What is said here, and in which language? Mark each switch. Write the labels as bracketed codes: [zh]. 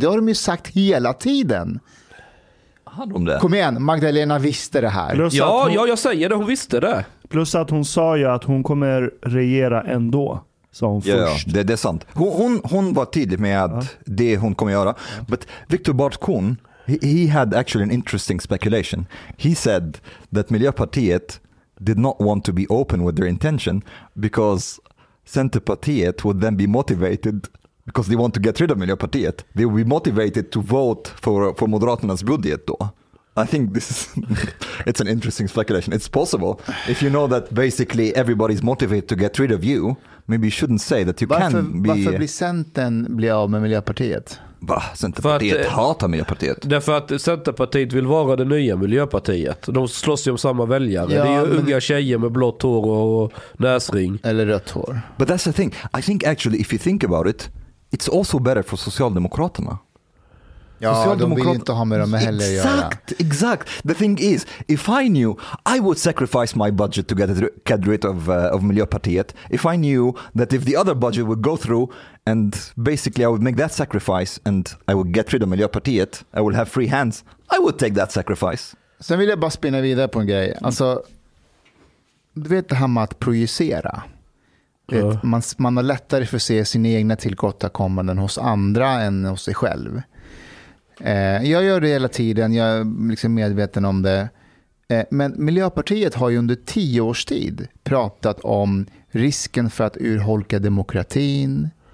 [sv] Det har de ju sagt hela tiden. Om det. Kom igen, Magdalena visste det här. Ja, jag säger det, hon visste det. Plus att hon sa ju att hon kommer regera ändå, sa hon först. Ja, det är sant. Hon var tydlig med att det hon kommer göra. [en] But Viktor Bartkon, he had actually an interesting speculation. He said that Miljöpartiet did not want to be open with their intention because... Centerpartiet would then be motivated because they want to get rid of Miljöpartiet. They would be motivated to vote for Moderaternas budget då. I think this is it's an interesting speculation. It's possible. If you know that basically everybody's motivated to get rid of you, maybe you shouldn't say that you can be... [sv] Varför blir Centern bli av med Miljöpartiet? Va? Centerpartiet hatar Miljöpartiet. Därför att Centerpartiet vill vara det nya Miljöpartiet. De slåss ju om samma väljare. Ja, det är ju unga tjejer med blått hår och näsring. Eller rött hår. [en] But that's the thing. I think actually if you think about it, it's also better for Socialdemokraterna. [sv] Ja, Socialdemokrater... de vill inte ha med dem heller att göra. Exakt. [en] The thing is, if I knew, I would sacrifice my budget to get rid of Miljöpartiet. If I knew that if the other budget would go through and basically I would make that sacrifice and I would get rid of Miljöpartiet, I would have free hands, I would take that sacrifice. [sv] Sen vill jag bara spinna vidare på en grej. Alltså, du vet det här med att projicera. Man har lättare för att se sina egna tillkortakommanden hos andra än hos sig själv. Jag gör det hela tiden, jag är liksom medveten om det. Men Miljöpartiet har ju under 10 års tid pratat om risken för att urholka demokratin.